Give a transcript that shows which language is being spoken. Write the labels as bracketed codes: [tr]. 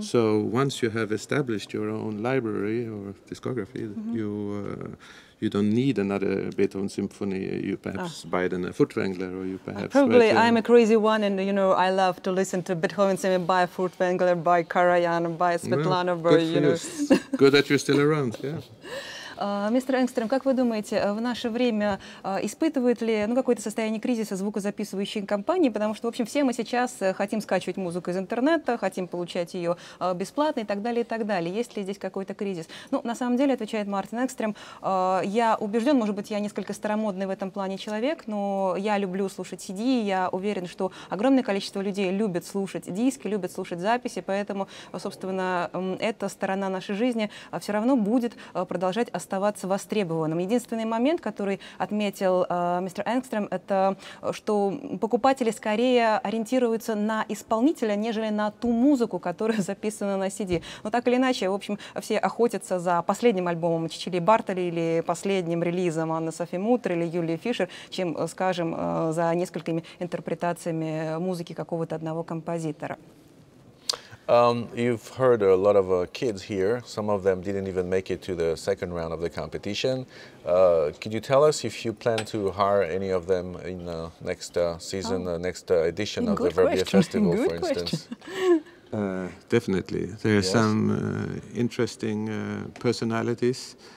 [en] So once you have established your own library or discography, mm-hmm. you don't need another Beethoven symphony. You perhaps buy it in a Furtwängler, or you perhaps... I'm a crazy one, and, you know, I love to listen to Beethoven symphony by Furtwängler, by Karajan, by Svetlana. Well, good, you know. Good that you're still around, yeah. [ru] Мистер Энгстрем, как вы думаете, в наше время испытывает ли какое-то состояние кризиса звукозаписывающие компании? Потому что, в общем, все мы сейчас хотим скачивать музыку из интернета, хотим получать ее бесплатно и так далее, и так далее. Есть ли здесь какой-то кризис? Ну, на самом деле, отвечает Мартин Энгстрем, я убежден, может быть, я несколько старомодный в этом плане человек, но я люблю слушать CD, я уверен, что огромное количество людей любят слушать диски, любят слушать записи, поэтому, собственно, эта сторона нашей жизни все равно будет продолжать оставаться востребованным. Единственный момент, который отметил мистер Энгстрем, это что покупатели скорее ориентируются на исполнителя, нежели на ту музыку, которая записана на CD. Но так или иначе, в общем, все охотятся за последним альбомом Чичили Бартоли или последним релизом Анны Софи Мутер или Юлии Фишер, чем, скажем, за несколькими интерпретациями музыки какого-то одного композитора. [en] You've heard a lot of kids here. Some of them didn't even make it to the second round of the competition. Could you tell us if you plan to hire any of them in the next season, the next edition of the Verbier Festival, for instance? Definitely. There are some interesting personalities.